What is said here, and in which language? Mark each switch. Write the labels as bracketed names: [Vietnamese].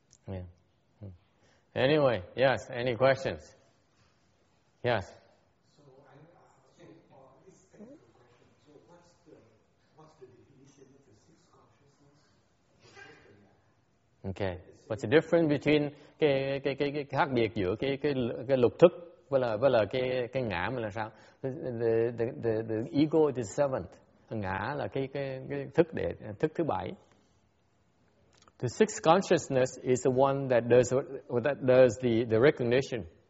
[English] Yeah. Anyway, yes, any questions? Yes. So it's a question. So what's the definition of the six consciousness? Okay. What's the difference between [Vietnamese] cái khác biệt giữa cái lục thức với là cái ngã mà là sao? [English] The ego is the seventh. [Vietnamese] Ngã là cái thức để thức thứ bảy. [English] The sixth consciousness is the one that does the recognition.